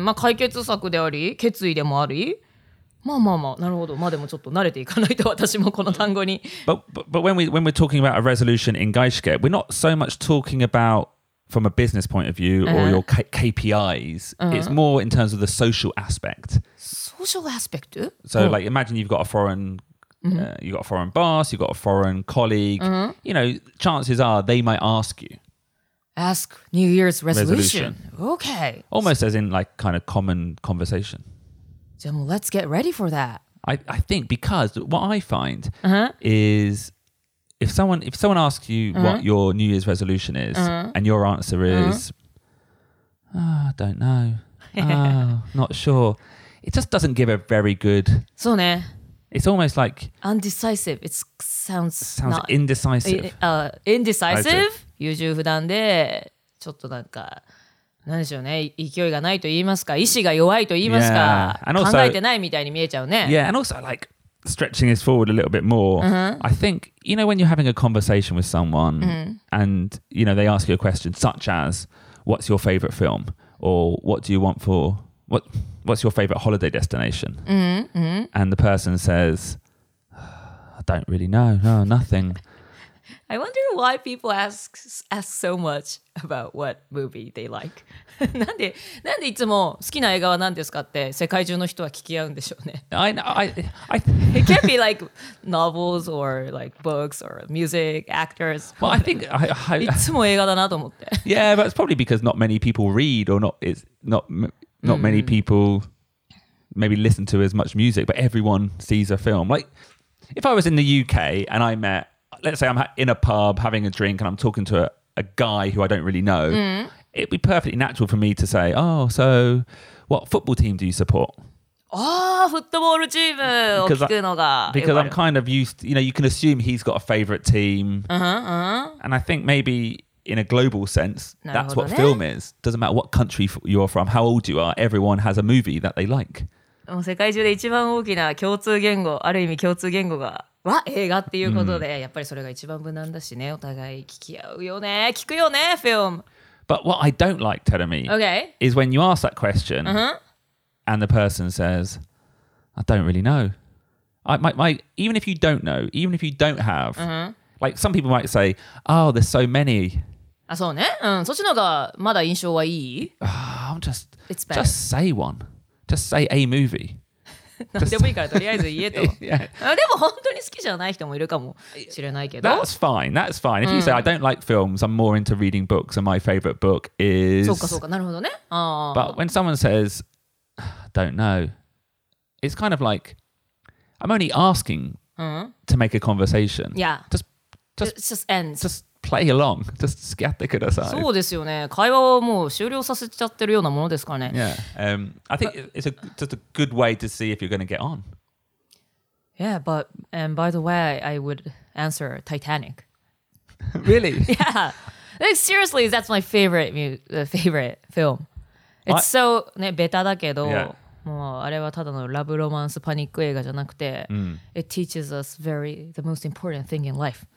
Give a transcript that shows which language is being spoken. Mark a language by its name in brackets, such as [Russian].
[Japanese] まあ解決策であり、決意でもあり。まあまあまあ、なるほど。まあでもちょっと慣れていかないと私もこの単語に。 [English] But when we're talking about a resolution in gaishike, we're not so much talking about from a business point of view or your KPIs, it's more in terms of the social aspect. Social aspect? So like imagine you've got a foreign, you've got a foreign boss, you've got a foreign colleague, you know, chances are they might ask you. Ask New Year's resolution. Okay. Almost as in like kind of common conversation. Then let's get ready for that. I think because what I find is if someone asks you what your New Year's resolution is and your answer is, I don't know, not sure, it just doesn't give a very good... So ne. It's almost like... Undecisive. It sounds... Sounds not, indecisive. Indecisive? [Japanese] 優柔不断でちょっとなんか何でしょうね、勢いがないと言いますか、意志が弱いと言いますか、 [English] also, [Japanese] 考えてないみたいに見えちゃうね。 [English] Yeah, and also like stretching this forward a little bit more. I think, you know, when you're having a conversation with someone and, you know, they ask you a question such as, what's your favorite film? Or what do you want for, what's your favorite holiday destination? And the person says, I don't really know, no, nothing. I wonder why people ask so much about what movie they like. [Japanese] なんでいつも好きな映画は何ですかって世界中の人は聞き合うんでしょうね。 [English] I it can't be like novels or like books or music, actors. Well, I think [Japanese] いつも映画だなと思って。 [English] Yeah, but it's probably because not many people read or not many people maybe listen to as much music, but everyone sees a film. Like if I was in the UK and I met, let's say I'm in a pub having a drink and I'm talking to a guy who I don't really know, it'd be perfectly natural for me to say, oh, so what football team do you support? Oh, football team! Because I'm kind of used to, you know, you can assume he's got a favourite team. And I think maybe in a global sense, that's what film is. Doesn't matter what country you're from, how old you are, everyone has a movie that they like. [Japanese] 世界中で一番大きな共通言語、ある意味共通言語が、は映画っていうことで、やっぱりそれが一番無難だしね、お互い聞き合うよね、聞くよね、フィルム。 [English] But what I don't like, Terumi, is when you ask that question, and the person says, I don't really know. Even if you don't know, even if you don't have, like some people might say, oh, there's so many. [Japanese] あ、そうね。うん、そっちの方がまだ印象はいい。 [English] I'm just, it's bad. Just say one. Just say a movie. [Japanese] 何でもいいからとりあえず言えと。 [English] yeah. [Japanese] でも本当に好きじゃない人もいるかもしれないけど。 [English] That's fine. That's fine. If you say I don't like films, I'm more into reading books, and my favorite book is. [Japanese] そうかそうか。なるほどね。 [English] But when someone says, "Don't know," it's kind of like I'm only asking to make a conversation. Yeah. Just ends. Just play along. Just [Japanese] やってください。そうですよね。会話をもう終了させちゃってるようなものですからね。 [English] Yeah. I think it's just a good way to see if you're going to get on. Yeah, but and by the way, I would answer Titanic. Really? Yeah. Like, seriously, that's my favorite film. It's so [Japanese] ね、ベタだけど、もうあれはただのラブロマンスパニック映画じゃなくて、 [English] it teaches us the most important thing in life.